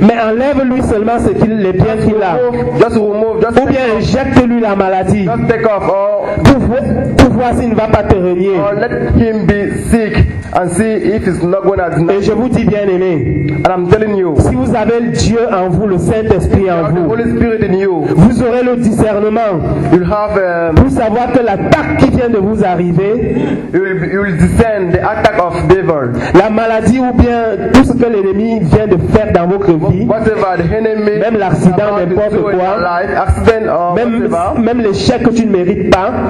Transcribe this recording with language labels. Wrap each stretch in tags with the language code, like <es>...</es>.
<fr>Mais enlève-lui seulement ce qu'il, les biens qu'il a.</fr> <en>Just remove,</en> <fr>ou bien éjecte-lui la maladie.</fr> <en>Just take off.</en> <fr>Pour voir s'il ne va pas te renier.</fr> <en>Or let him be sick and see if he's not going to deny.</en> <fr>Et je vous dis, bien aimé,</fr> <en>and I'm telling you,</en> <fr>si vous avez Dieu en vous, le Saint Esprit en vous,</fr> <en>the Holy Spirit in you,</en> <fr>vous aurez le discernement.</fr> <en>You'll have</en> <fr>pour savoir que l'attaque qui vient de vous arriver,</fr> <en>you'll discern the attack of devil,</en> <fr>la maladie ou bien tout ce que l'ennemi vient de faire dans votre vie,</fr> <en>whatever the enemy,</en> <fr>même l'accident, n'importe quoi,</fr> <en>life, accident or</en> <fr>même</fr> <en>whatever,</en> <fr>même l'échec que tu ne mérites pas.</fr>